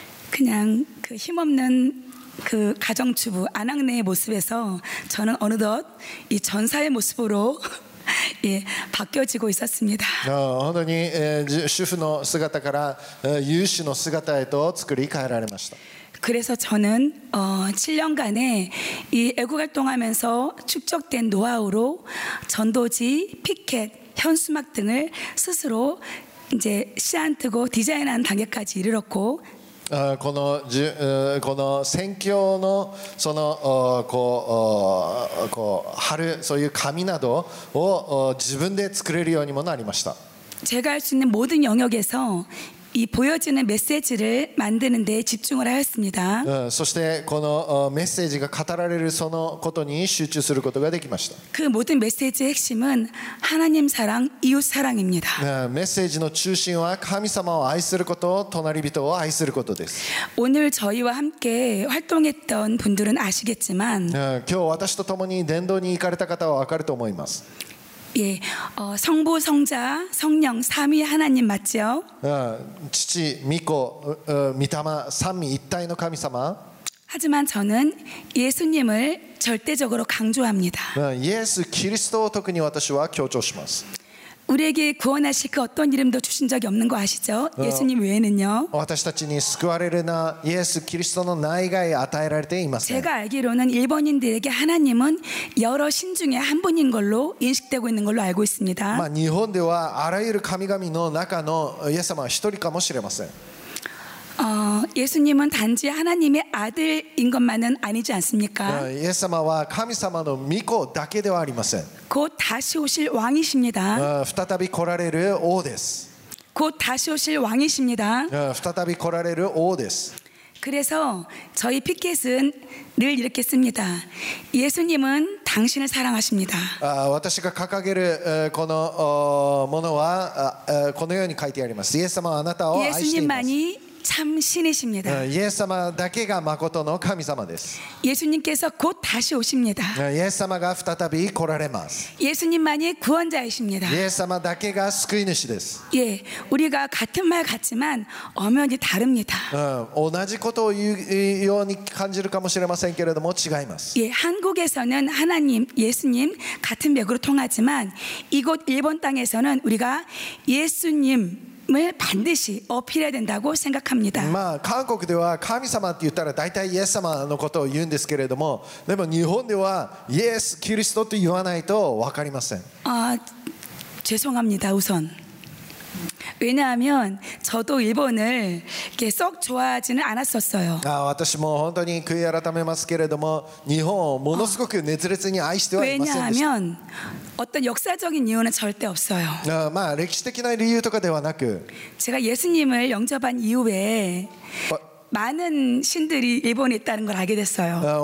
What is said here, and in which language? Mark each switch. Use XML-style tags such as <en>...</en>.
<ko>그냥그힘없는그가정주부아낙네의모습에서저는어느덧이전사의모습으로 예바뀌어지고있었습니다</ko> <ja>本当に主婦の姿から勇士の姿へと作り変えられました</ja> <ko>그래서저는7년간에이애국활동하면서축적된노하우로전도지피켓현수막등을스스로이제씨안뜨고디자인하는단계까지이르렀고</ko> <ja>この宣教のそのこう貼るそういう紙などを自分で作れるようにもなりました</ja> <ko>제가할수있는모든영역에서이보여지는메시지를만드는데집중을하였습니다</ko> <ja>そしてこのメッセージが語られるそのことに集中することができました</ja> <ko>그모든메시지의핵심은하나님사랑이웃사랑입니다</ko> <ja>メッセージの中心は神様を愛すること隣人を愛することです</ja> <ko>오늘저희와함께활동했던분들은아시겠지만</ko> <ja>今日私と共に伝道に行かれた方は分かると思います</ja> <ko>예성부성자성령삼위하나님맞죠</ko> <ja>父御子御霊三位一体の神様</ja> <ko>하지만저는예수님을절대적으로강조합니다 예수그리스도특히</ko> <ja>私は強調します</ja> <ko>우리에게구원하실그어떤이름도주신적이없는거아시죠예수님외에는요</ko> <ja>私たちに救われるな예수그리스도の名以外与えられていません</ja> <ko>제가알기로는일본인들에게하나님은여러신중에한분인걸로인식되고있는걸로알고있습니다</ko> <ja>日本ではあらゆる神々の中のイエス様は一人かもしれません</ja> <ko>예수님은단지하나님의아들인것만은아니지않습니까</ko> <ja>예수様は神様の御子だけではありません</ja> <ko>곧다시오실왕이십니다</ko> <ja>再び来られる王です</ja> <ko>곧다시오실왕이십니다</ko> <ja>再び来られる王です</ja> <ko>그래서저희피켓은늘이렇게씁니다예수님은당신을사랑하십니다</ko> <ja>私が掲げるこのものはこのように書いてありますイエス様はあなたを愛しています</ja> <ko>참신이십니다</ko> <ja>예수様だけが誠の神様です</ja> <ko>예수님께서곧다시오십니다</ko> <ja>예수様が再び来られます</ja> <ko>예수님만이구원자이십니다</ko> <ja>예수様だけが救い主です</ja> <ko>예우리가같은말같지만엄연히다릅니다</ko> <ja>同じことを言うように感じるかもしれませんけれども違います</ja> <ko>예한국에서는하나님예수님같은맥으로통하지만이곳일본땅에서는우리가예수님반드시어필해야된다고생각합니다</ko> <ja>まあ韓国では神様って言ったら大体イエス様のことを言うんですけれどもでも日本ではイエスキリストと言わないと分かりません</ja> <ko>아죄송합니다우선왜냐하면저도일본을썩좋아하지는않았었어요</ko> <ja>私も本当に悔い改めますけれども日本をものすごく熱烈に愛してはいませんでした</ja> <ko>왜냐하면어떤역사적인이유는절대없어요</ko> <ja>まあ歴史的な理由とかではなく</ja> <ko>제가예수님을영접한이후에많은신들이일본에있다는걸알게됐어요</ko>